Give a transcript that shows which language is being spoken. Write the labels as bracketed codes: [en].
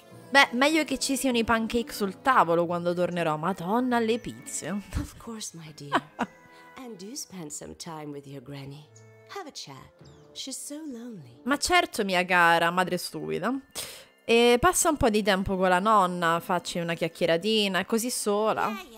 [it] Beh, meglio che ci siano i pancake sul tavolo quando tornerò. Madonna, le pizze. [en] Of course, my dear. And do spend some time with your granny. Have a chat. She's so lonely. [it] Ma certo, mia cara madre stupida. E passa un po' di tempo con la nonna, facci una chiacchieratina, è così sola.